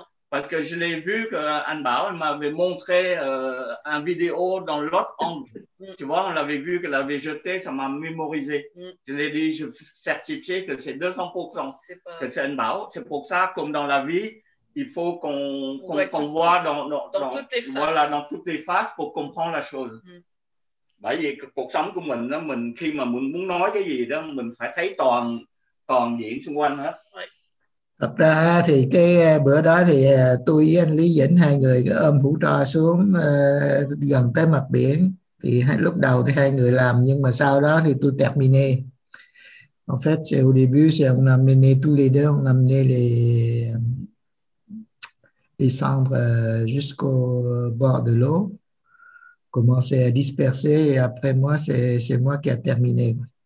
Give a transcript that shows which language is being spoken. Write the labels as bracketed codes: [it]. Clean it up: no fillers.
[fr] Parce que je l'ai vu qu'Anh Bảo m'avait montré un vidéo dans l'autre angle. Tu vois, on l'avait vu qu'elle avait jeté, ça m'a mémorisé. Je l'ai dit, je certifié que c'est 200%, que c'est Anh Bảo. C'est pour ça, comme dans la vie, il faut qu'on voit dans toutes les faces pour comprendre la chose. [vi] Bởi vì cuộc sống của mình đó, mình khi mà mình muốn nói cái gì đó mình phải thấy toàn toàn diện xung quanh hết. Thật ra thì cái bữa đó thì tôi với anh Lý Vĩnh hai người ôm hũ tro xuống gần tới mặt biển. Thì lúc đầu thì hai người làm, nhưng mà sau đó thì tôi tẹp mini. [fr] En fait, au début, c'est on a amené tous les deux, on a amené les cendres jusqu'au bord de l'eau, commencé à disperser, et après moi, c'est moi qui a terminé.